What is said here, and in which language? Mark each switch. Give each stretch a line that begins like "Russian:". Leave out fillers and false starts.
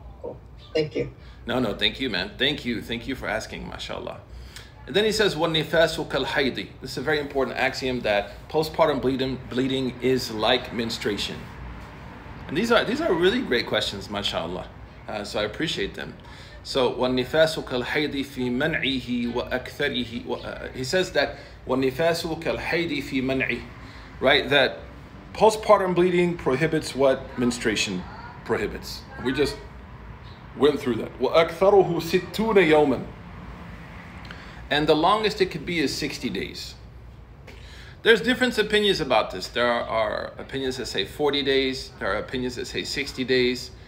English: Cool. Thank you. No, thank you, man. Thank you. Thank you for asking, mashallah. And then he says,
Arabic: وَالنِفَاسُ كَالْحَيْدِ.
English: This is a very important axiom that postpartum bleeding is like menstruation. And these are really great questions, mashallah. So I appreciate them.
Arabic: So وَالنِفَاسُ كَالْحَيْدِ فِي مَنْعِهِ وَأَكْثَرِهِ
English: he says that
Arabic: وَالنِفَاسُ كَالْحَيْدِ فِي مَنْعِهِ, right?
English: That postpartum bleeding prohibits what menstruation prohibits. We just went through that.
Arabic: وَأَكْثَرُهُ سِتُونَ يَوْمًا.
English: And the longest it could be is 60 days. There's different opinions about this. There are opinions that say 40 days. There are opinions that say 60 days.